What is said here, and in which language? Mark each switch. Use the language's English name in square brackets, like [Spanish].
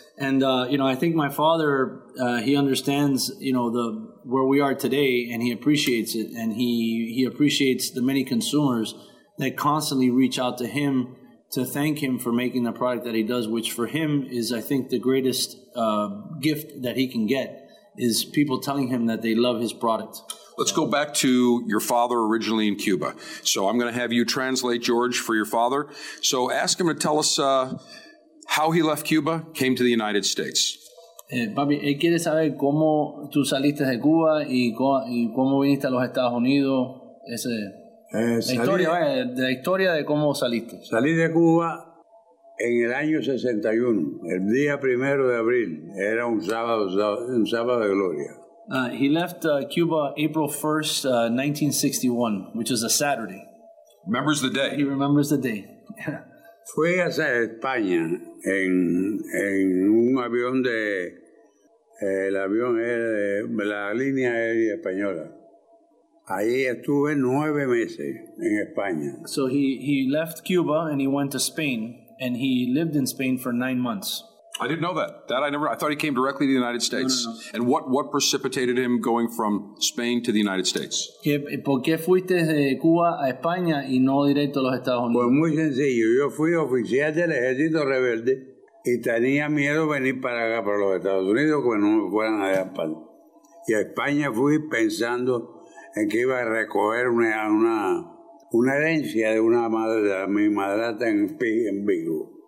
[English] And, I think my father, he understands, where we are today, and he appreciates it, and he appreciates the many consumers that constantly reach out to him to thank him for making the product that he does, which for him is, I think, the greatest gift that he can get, is people telling him that they love his product. Let's go back to your father originally in Cuba. So I'm going to have you translate, George, for your father. So ask him to tell us how he left Cuba, came to the United States. [Spanish] Papi, él quiere saber cómo tú saliste de Cuba y cómo viniste a los Estados Unidos. Ese, la historia de cómo saliste. Salí de Cuba en el año 61, el día primero de abril. Era un sábado de gloria. [English] He left Cuba April 1st, 1961, which is a Saturday. Remembers the day. He remembers the day. [Spanish] Fui hacia España en un avión de... El avión era de la línea aérea española. Ahí estuve 9 meses en España. [English] So he left Cuba and he went to Spain, and he lived in Spain for 9 months. I didn't know that. I thought he came directly to the United States. No, no, no. And what precipitated him going from Spain to the United States? [Spanish] ¿Por qué fuiste de Cuba a España y no directo a los Estados Unidos? Pues muy sencillo. Yo fui oficial del ejército rebelde y tenía miedo venir para acá, para los Estados Unidos, que no me fueran a dejar. Y a España fui pensando en que iba a recoger una herencia de una madre, de mi madrastra en Vigo.